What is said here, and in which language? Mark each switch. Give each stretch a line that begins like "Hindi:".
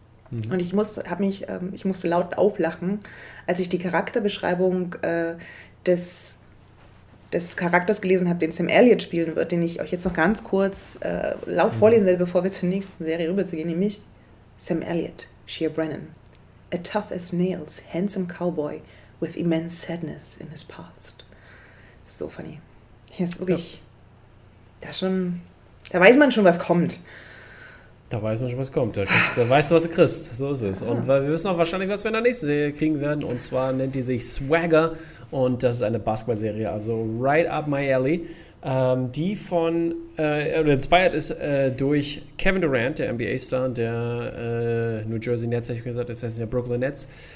German: Und ich musste laut auflachen, als ich die Charakterbeschreibung des Charakters gelesen habe, den Sam Elliott spielen wird, den ich euch jetzt noch ganz kurz laut vorlesen werde, bevor wir zur nächsten Serie rüberzugehen, nämlich Sam Elliott, Shear Brennan.
English: A tough as nails, handsome cowboy with immense sadness in his past. So funny.
German: Hier ist wirklich, da weiß man schon, was kommt. Da weiß man schon, was kommt. Da weißt du, was du kriegst. So ist es. Und wir wissen auch wahrscheinlich, was wir in der nächsten Serie kriegen werden. Und zwar nennt die sich Swagger. Und das ist eine Basketball-Serie.
English: Also right up my alley.
German: Die von, inspired ist durch Kevin Durant, der NBA-Star, der New Jersey Nets, habe ich gesagt, das heißt ja Brooklyn Nets.